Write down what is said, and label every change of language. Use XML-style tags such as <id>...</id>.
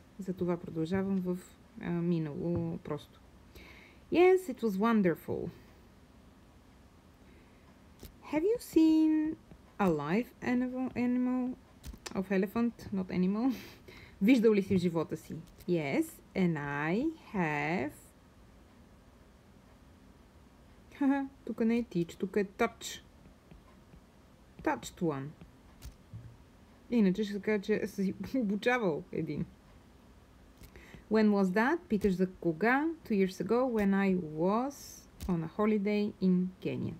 <bg>Затова продължавам в минало просто.</bg> <en>Yes, it was wonderful. Have you seen a live animal of elephant, not animal?</en> <bg>Виждал ли си в живота си?</bg> <en>Yes, and I have...</en> <bg>Тук не е teach, тук е touch.</bg> <en>Touched one.</en> <bg>Иначе ще кажа, че си обучавал един.</bg> <en>When was that?</en> <bg>Питаш за кога?</bg> <en>2 years ago, when I was on a holiday in Kenya.</en>